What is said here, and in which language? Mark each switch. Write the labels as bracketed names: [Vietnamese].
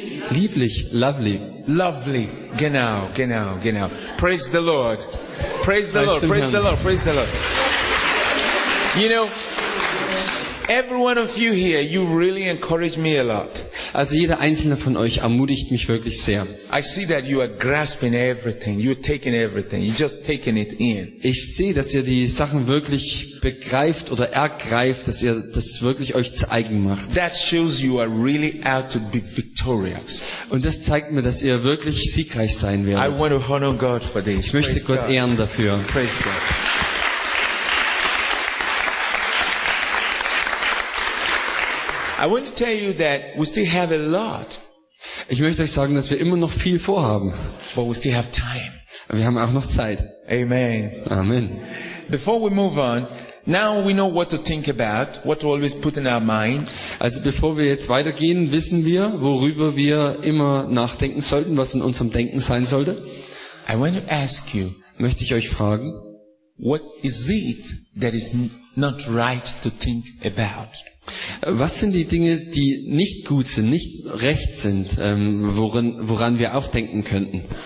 [German] Lieblich, [English] lovely. Lovely. [German] Genau, genau, genau. [English] Praise the Lord. Praise the Lord. Praise the Lord. Praise the Lord. You know, every one of you here, you really encourage me a lot. [German] Also jeder einzelne von euch ermutigt mich wirklich sehr. [English] I see that you are grasping everything. You're taking everything. You're just taking it in. [German] Ich sehe, dass ihr die Sachen wirklich begreift oder ergreift, dass ihr das wirklich euch zu eigen macht. [English] That shows you are really out to be victorious. [German] Und das zeigt mir, dass ihr wirklich siegreich sein werdet. [English] I want to honor God for this. [German] Ich möchte [English] praise [German] Gott [English] God. [German] Ehren dafür. [English] Praise God. I want to tell you that we still have a lot. [German] Ich möchte euch sagen, dass wir immer noch viel vorhaben. [English] But we still have time. [German] Wir haben auch noch Zeit. [English] Amen. [German] Amen. [English] Before we move on, now we know what to think about, what to always put in our mind. [German] Also bevor wir jetzt weitergehen, wissen wir, worüber wir immer nachdenken sollten, was in unserem Denken sein sollte. [English] I want to ask you. [German] Möchte ich euch fragen, [English] what is it that is not right to think about? [German] Was sind die Dinge, die nicht gut sind, nicht recht sind, woran wir auch denken könnten?